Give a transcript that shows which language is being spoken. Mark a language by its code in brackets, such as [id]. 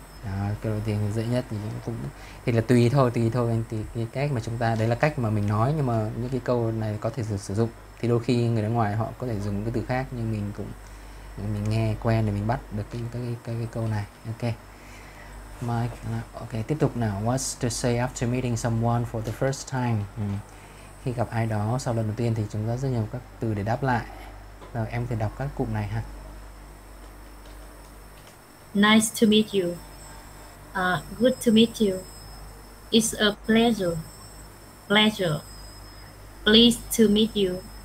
[vi] Đó, câu đầu tiên dễ nhất thì cũng thì là tùy thôi thì cái cách mà chúng ta đấy là cách mà mình nói, nhưng mà những cái câu này có thể được sử dụng thì đôi khi người nước ngoài họ có thể dùng cái từ khác, nhưng mình cũng mình nghe quen để mình bắt được cái câu này. Ok Mike, ok tiếp tục nào. [en] What's to say after meeting someone for the first time? [vi] Khi gặp ai đó sau lần đầu tiên thì chúng ta rất nhiều các từ để đáp lại. Rồi em có thể đọc các cụm này ha. [en] Nice to meet you. Good to meet you. It's a pleasure. Pleasure. Pleased to meet you.